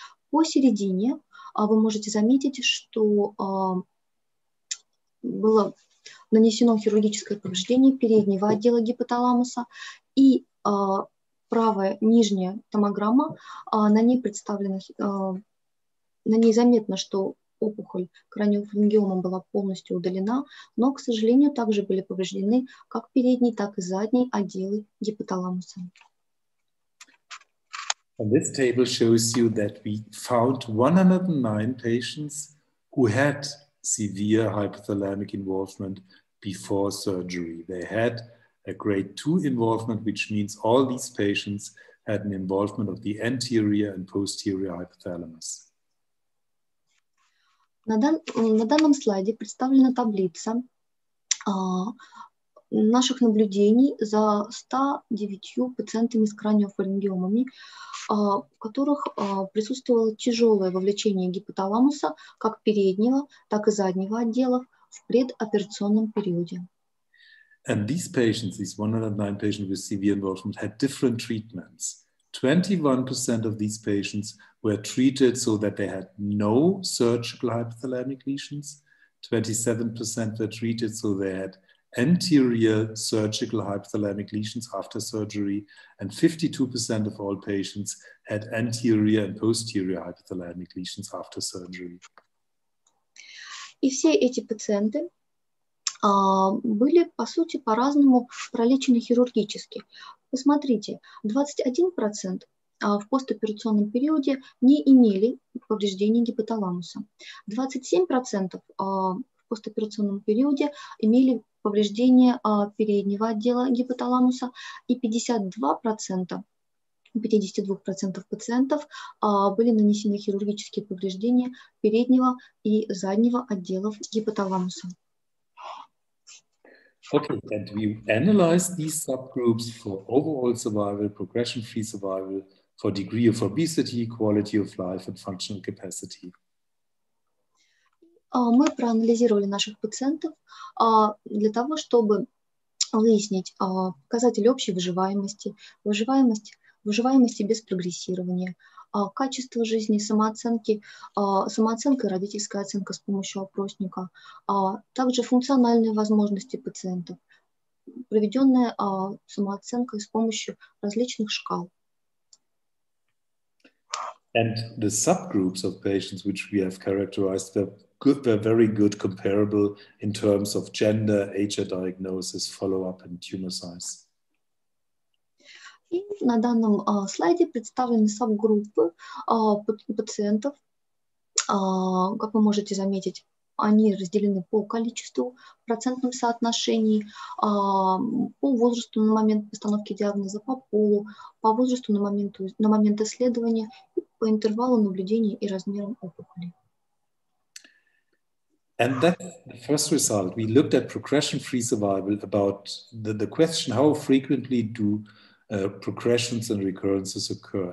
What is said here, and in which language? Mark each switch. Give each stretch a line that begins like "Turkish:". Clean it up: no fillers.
Russian: Посередине вы можете заметить, что было нанесено хирургическое повреждение переднего отдела гипоталамуса, и правая нижняя томограмма, на ней представлена, на ней заметно, что опухоль краниофарингиома была полностью удалена, но, к сожалению, также были повреждены как передний, так и задний отделы гипоталамуса.
English: And this table shows you that we found 109 patients who had severe hypothalamic involvement before surgery. They had a a grade 2 involvement, which means all these patients had an involvement of the anterior and posterior hypothalamus.
Russian: На данном слайде представлена таблица наших наблюдений за 109 пациентами с краниофарингиомами, в которых присутствовало тяжелое вовлечение гипоталамуса как переднего, так и заднего отделов в предоперационном периоде.
English: And these patients, these 109 patients with severe involvement, had different treatments. 21% of these patients were treated so that they had no surgical hypothalamic lesions. 27% were treated so they had anterior surgical hypothalamic lesions after surgery, and 52% of all patients had anterior and posterior hypothalamic lesions after surgery.
Russian: И все эти пациенты были, по сути, по-разному пролечены хирургически. Посмотрите, 21% в постоперационном периоде не имели повреждений гипоталамуса. 27% в постоперационном периоде имели повреждения переднего отдела гипоталамуса, и 52% пациентов были нанесены хирургические повреждения переднего и заднего отделов гипоталамуса.
English: Okay, and we analyzed these subgroups for overall survival, progression-free survival, for degree of obesity, quality of life, and functional capacity.
Russian: Мы проанализировали наших пациентов для того, чтобы выяснить показатели общей выживаемости, выживаемости без прогрессирования, качество жизни, самооценки, самооценка и родительская оценка с помощью опросника, также функциональные возможности пациентов, проведенная самооценка с помощью различных шкал.
English: And the subgroups of patients which we have characterized were very good comparable in terms of gender, age of diagnosis, follow-up and tumor size.
Russian: И на данном слайде представлены сабгруппы пациентов. Как вы можете заметить, они разделены по количеству, процентным соотношении, по возрасту на момент постановки диагноза, по полу, по возрасту на момент исследования, по интервалу наблюдения и размерам опухоли.
English: And that first result, we looked at progression-free survival about the question, how frequently do progressions and recurrences occur.